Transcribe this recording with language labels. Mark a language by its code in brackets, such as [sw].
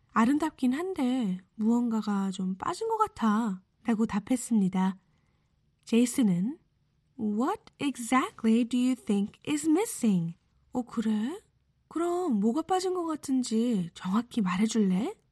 [ko] 아름답긴 한데 무언가가 좀 빠진 것 같아 라고 답했습니다. 제이슨은 [en] What exactly do you think is missing? [ko] 어, 그래? 그럼 뭐가 빠진 것 같은지 정확히 말해줄래?